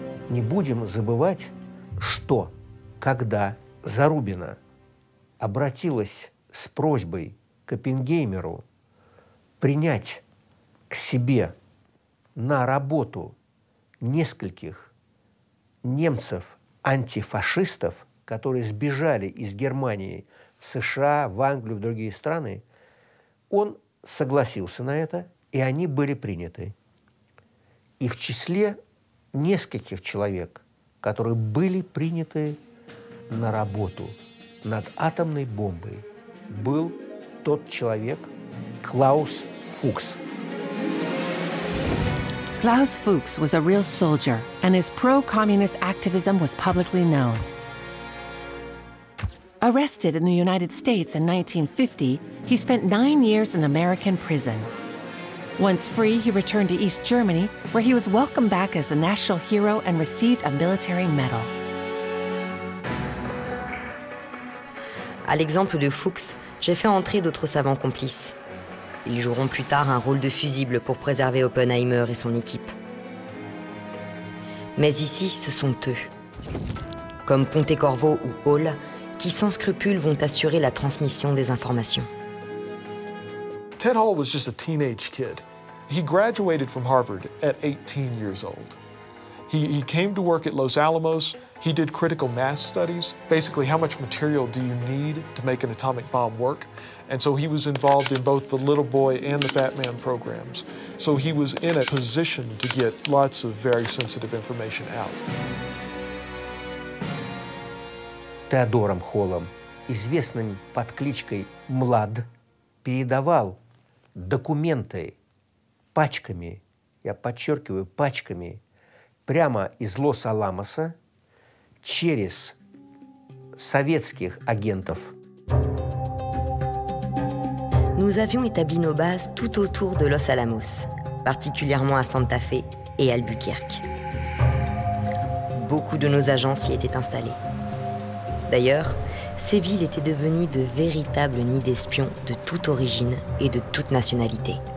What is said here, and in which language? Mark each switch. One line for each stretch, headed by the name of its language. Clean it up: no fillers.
Russian: Не будем забывать, что когда Зарубина обратилась с просьбой к Оппенгеймеру принять к себе на работу нескольких немцев-антифашистов, которые сбежали из Германии в США, в Англию, в другие страны, он согласился на это, и они были приняты. И в числе нескольких человек, которые были приняты на работу над атомной бомбой, был тот человек Клаус Фукс.
English: Klaus Fuchs was a real soldier, and his pro-communist activism was publicly known. Arrested in the United States in 1950, he spent 9 years in American prison. Once free, he returned to East Germany, where he was welcomed back as a national hero and received a military medal.
French: À l'exemple de Fuchs, j'ai fait entrer d'autres savants complices. Ils joueront plus tard un rôle de fusible pour préserver Oppenheimer et son équipe. Mais ici, ce sont eux, comme Pontecorvo ou Hall, qui sans scrupule vont assurer la transmission des informations.
English: Ted Hall was just a teenage kid. He graduated from Harvard at 18 years old. He came to work at Los Alamos. He did critical mass studies. Basically, how much material do you need to make an atomic bomb work? And so he was involved in both the Little Boy and the Batman programs. So he was in a position to get lots of very sensitive information out.
Russian: Теодором Холлом, известным под кличкой Млад, передавал документы пачками, я подчеркиваю, пачками, прямо из Лос-Аламоса через советских агентов.
French: Nous avions établi nos bases tout autour de Los Alamos, particulièrement à Santa Fe et Albuquerque. Beaucoup de nos agents s'y étaient installés. D'ailleurs, ces villes étaient devenues de véritables nids d'espions de toute origine et de toute nationalité.